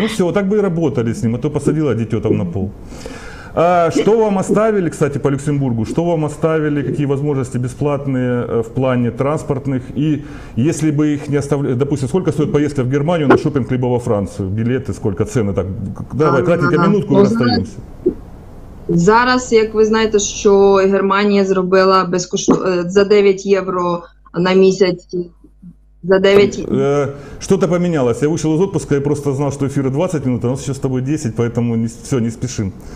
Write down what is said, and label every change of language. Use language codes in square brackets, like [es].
[ru] Ну все, так бы и работали с ним, а то посадила дитё там на пол. А что вам оставили, кстати, по Люксембургу? Что вам оставили, какие возможности бесплатные в плане транспортных? И если бы их не оставляли, допустим, сколько стоит поездка в Германию на шопинг либо во Францию? Билеты, сколько цены? Так, давай, кратенько, минутку, мы расстаемся. [uk] Зараз, як ви знаєте, що Германія зробила за 9 євро на місяць, за 9... [ru] Что-то поменялось. Я вышел из отпуска и просто знал, что эфиры 20 минут, а у нас сейчас с тобой 10, поэтому все, не спешим.